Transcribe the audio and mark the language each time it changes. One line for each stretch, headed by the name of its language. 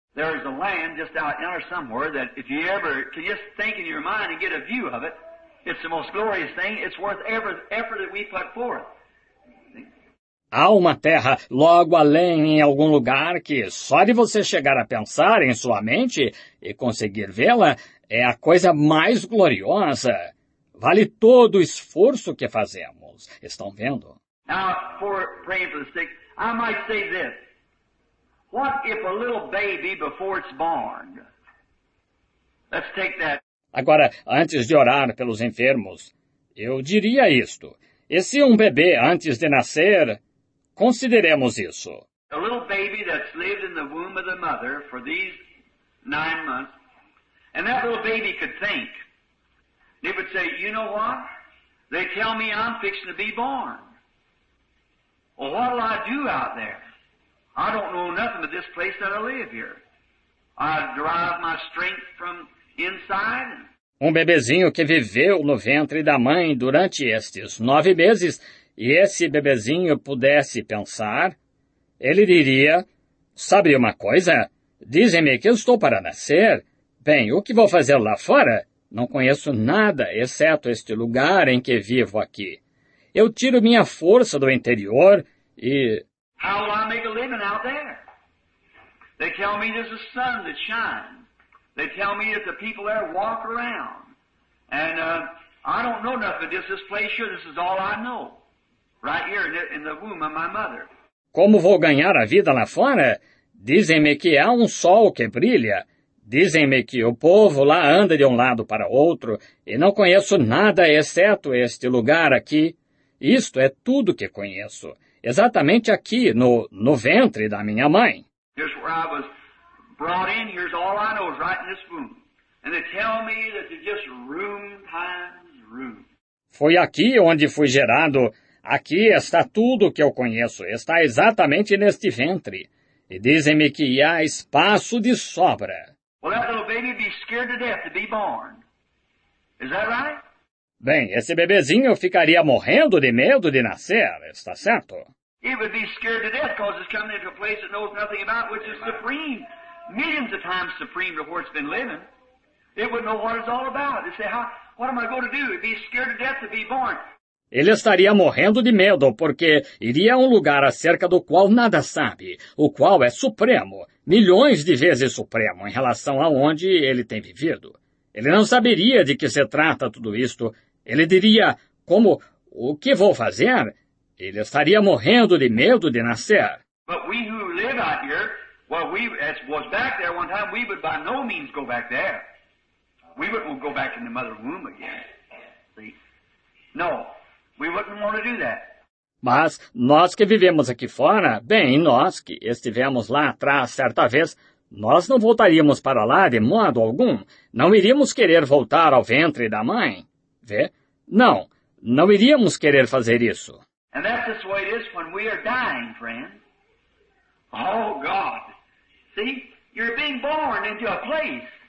English: There is a land just out there somewhere that if you ever can just think in your mind and get a view of it, it's the most glorious thing. It's worth every effort that we put forth.
Portuguese: Há uma terra logo além em algum lugar que só de você chegar a pensar em sua mente e conseguir vê-la é a coisa mais gloriosa. Vale todo o esforço que fazemos. Estão vendo?
English: Now, for praying for the sick, I might say this. What if a little baby before it's born? Let's take that.
Portuguese: Agora, antes de orar pelos enfermos, eu diria isto. E se um bebê antes de nascer... Consideremos isso.
English: A little baby that's lived in the womb of the mother for these 9 months, and that little baby could think. They would say, you know what? They tell me I'm fixing to be born. Well, what'll I do out there? I don't know nothing but this place that I live here. I derive my strength from inside.
Portuguese: Um bebezinho que viveu no ventre da mãe durante estes 9 meses... E esse bebezinho pudesse pensar, ele diria, sabe uma coisa? Dizem-me que eu estou para nascer. Bem, o que vou fazer lá fora? Não conheço nada, exceto este lugar em que vivo aqui. Eu tiro minha força do interior e...
English: How will I make a living out there? They tell me there's a sun that shines. They tell me that the people there walk around. And I don't know nothing. This place here, this is all I know. Right here in the womb of my mother.
Portuguese: Como vou ganhar a vida lá fora? Dizem-me que há um sol que brilha. Dizem-me que o povo lá anda de um lado para outro, e não conheço nada exceto este lugar aqui. Isto é tudo que conheço, exatamente aqui, no ventre da minha mãe.
English: Just where I was brought in, here's all I know, right in this room. And they tell me that it's just room times room.
Portuguese: Foi aqui onde fui gerado. Aqui está tudo o que eu conheço. Está exatamente neste ventre. E dizem-me que há espaço de sobra.
English: Well, that little baby be scared to death to be born. Is that right?
Portuguese: Bem, esse bebezinho ficaria morrendo de medo de nascer, está certo?
English: He would be scared to death because it's coming into a place it knows nothing about, which is supreme. Millions of times supreme to where it's been living. It would know what it's all about. It'd say, what am I going to do? It'd be scared to death to be born.
Portuguese: Ele estaria morrendo de medo, porque iria a um lugar acerca do qual nada sabe, o qual é supremo, milhões de vezes supremo, em relação a onde ele tem vivido. Ele não saberia de que se trata tudo isto. Ele diria, como, o que vou fazer? Ele estaria morrendo de medo de nascer.
English: But we who live out here, well, we, as was back there one time, we would by no means go back there. We wouldn't go back in the mother womb again. See? No. We wouldn't want to do that.
Portuguese: Mas nós que vivemos aqui fora, bem, nós que estivemos lá atrás certa vez, nós não voltaríamos para lá de modo algum. Não iríamos querer voltar ao ventre da mãe. Vê? Não, não iríamos querer fazer isso.
English: And that's just the way it is when we are dying, friend. Oh, God. See, you're being born into a place.